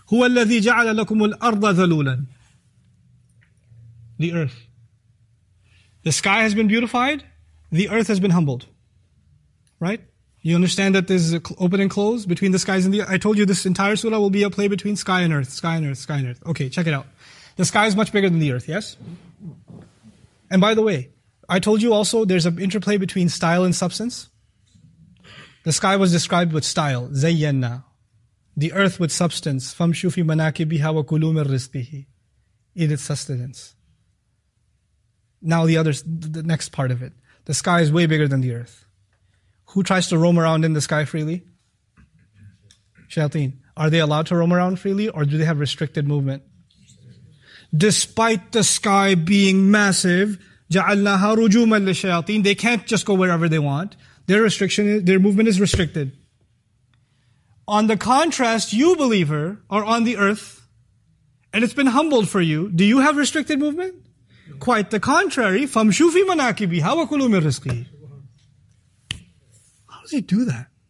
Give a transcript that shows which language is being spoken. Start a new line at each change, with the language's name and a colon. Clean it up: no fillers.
Arabic: هُوَ الَّذِي جَعَلَ لَكُمُ الْأَرْضَ ذَلُولًا
English: The earth. The sky has been beautified, the earth has been humbled. Right? You understand that there's an open and close between the skies and the earth? I told you this entire surah will be a play between sky and earth, sky and earth, sky and earth. Okay, check it out. The sky is much bigger than the earth, yes? And by the way, I told you also there's an interplay between style and substance. The sky was described with style, zayyanna. The earth with substance,
Arabic: famshu fi manakibiha wa kulu min rizqihi.
English: It is sustenance. Now the next part of it. The sky is way bigger than the earth. Who tries to roam around in the sky freely? Shayateen. Are they allowed to roam around freely or do they have restricted movement? Despite the sky being massive,
Arabic: جَعَلْنَاهَا رُجُومًا لِلشَّيَاطِينَ
English: They can't just go wherever they want. Their movement is restricted. On the contrast, you believer are on the earth and it's been humbled for you. Do you have restricted movement? Quite the contrary.
Arabic: فَمْشُوا فِي مَنَاكِبِهَا وَكُلُوا مِنْ رِزْقِهِ
English: How does he do that?